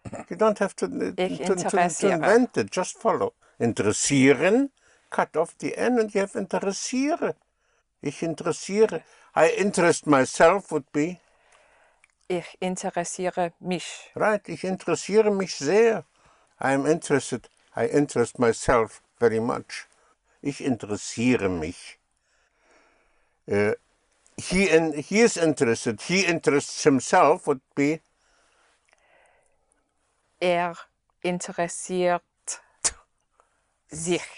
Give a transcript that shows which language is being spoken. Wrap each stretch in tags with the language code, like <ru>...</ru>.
<en>You don't have to invent it, just follow. Interessieren, cut off the N and you have interessiere.</en> <de>Ich interessiere.</de> <en>I interest myself would be?</en> <de>Ich interessiere mich. Right, ich interessiere mich sehr.</de> <en>I am interested. I interest myself very much.</en> <de>Ich interessiere mich.</de> <en>He is interested. He interests himself would be?</en> <de>Er interessiert sich.</de>